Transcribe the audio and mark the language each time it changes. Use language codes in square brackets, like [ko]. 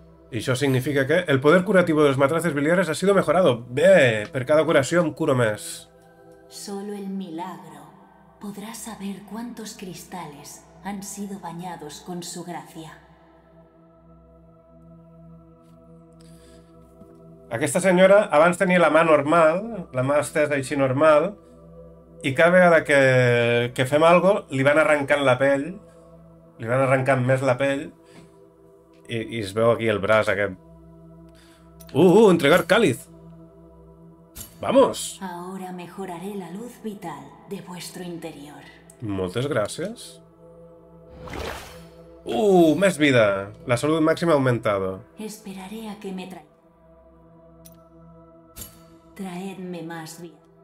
[es] Y eso significa que el poder curativo de los matraces biliares ha sido mejorado. ¡Bé! Per cada curación curo más. Solo el milagro podrá saber cuántos cristales han sido bañados con su gracia. [ca] Aquesta senyora abans tenia la mà normal, la mà estesa així normal, i cada vegada que fem algo li van arrencant la pell, li van arrencant més la pell, i es veu aquí el braç aquest. [es] Entregar cáliz. Vamos. Ahora mejoraré la luz vital de vuestro interior. [ca] Moltes gràcies. Més vida. La salut màxima ha augmentado. [es] Esperaré a que me traedme más vida.